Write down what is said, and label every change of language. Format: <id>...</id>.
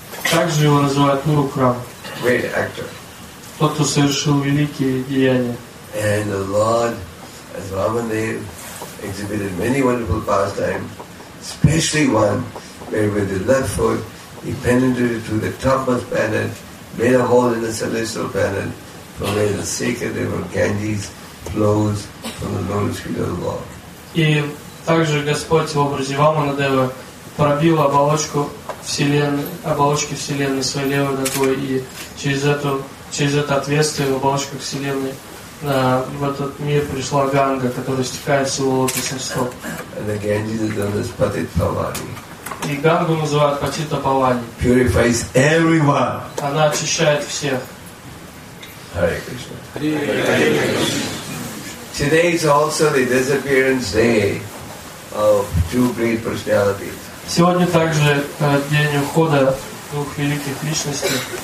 <ru>Также его называют Урукрам. Тот, кто совершил великие деяния.</ru> <en>And the Lord, as Vamanadev, exhibited many wonderful pastimes, especially one where with his left foot he penetrated through the topmost pennant, made a hole in the celestial pennant from where the sacred river Ganges flows from the lotus feet of the Lord.</en> <ru>И также Господь в образе Ваманадева пробил оболочку вселенной, оболочки вселенной своей левой ногой, и через это отверстие в оболочке вселенной в этот мир пришла Ганга, которая стекает с его лотосных стоп. И Гангу называют Патита Павани.</ru> <en>Purifies everyone.</en> <ru>Она очищает всех.</ru> <en>Hare Krishna. Today is also the disappearance day of two great personalities.</en> <ru>Сегодня также день ухода двух великих личностей.</ru>